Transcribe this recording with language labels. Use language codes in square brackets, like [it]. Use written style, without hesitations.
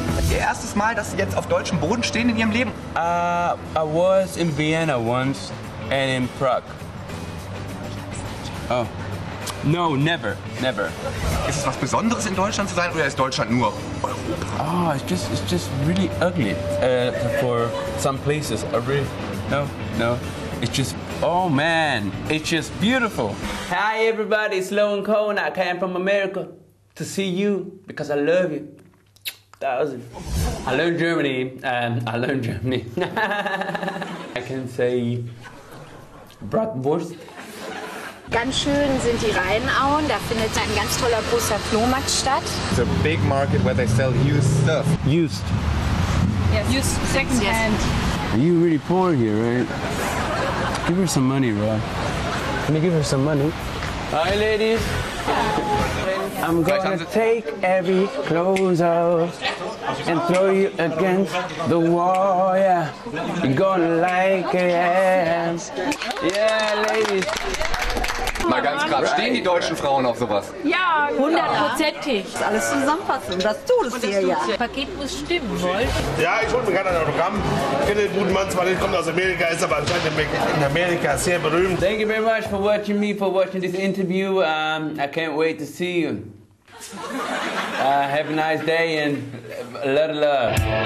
[de] Ihr erstes Mal, dass Sie jetzt auf deutschem Boden stehen in Ihrem Leben? [en] I was in Vienna once and in Prague. Oh. No, never. [de] Ist es was Besonderes in Deutschland zu sein oder ist Deutschland nur Europa? [en] Oh, it's just really ugly for some places. I really, no. It's just, oh man, it's just beautiful. Hi everybody, it's Lohan Cohan. I came from America to see you because I love you. Thousand. I learned Germany. I can say Bratwurst. [de] Ganz schön sind die Rheinauen, da findet ein ganz toller großer Flohmarkt statt. [en] It's a big market where they sell used stuff. Used? Yes. Used secondhand. Yes. Are you really poor here, right? Give her some money, Rob. Can you give her some money? Hi, ladies. Hi. I'm going to take every clothes off and throw you against the wall, yeah. You're going to like it, yeah, ladies. [de] Mal ganz gerade, stehen die deutschen Frauen auf sowas? Ja, hundertprozentig. Ja. Alles zusammenfassen, das tut es dir ja. Das Paket muss stimmen, wollt? Ja, ich hole mir gerade ein Autogramm. Ich kenne den guten Mann zwar nicht, kommt aus Amerika, ist aber anscheinend in Amerika sehr berühmt. [en] Thank you very much for watching this interview. I can't wait to see you. Have a nice day and a lot of love.